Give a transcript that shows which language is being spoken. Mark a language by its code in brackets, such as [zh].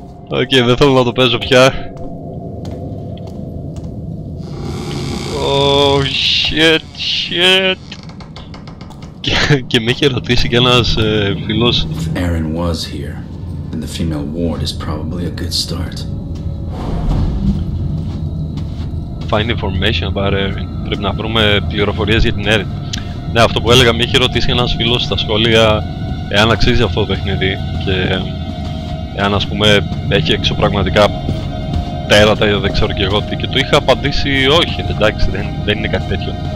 [el] Okay, δεν θέλω να το παίζω πια. [en] Oh shit, shit. [el] Και με είχε ρωτήσει κι ένας φίλος. [en] If Erin was here, then the female ward is probably a good start. Find information about Erin. [el] Πρέπει να βρούμε πληροφορίες για την Erin. Ναι, αυτό που έλεγα, με είχε ρωτήσει ένας φίλος στα σχόλια εάν αξίζει αυτό το παιχνίδι και εάν ας πούμε έχει έξω πραγματικά τέρατα ή δεν ξέρω κι εγώ τι, και του είχα απαντήσει όχι, εντάξει, δεν είναι κάτι τέτοιο.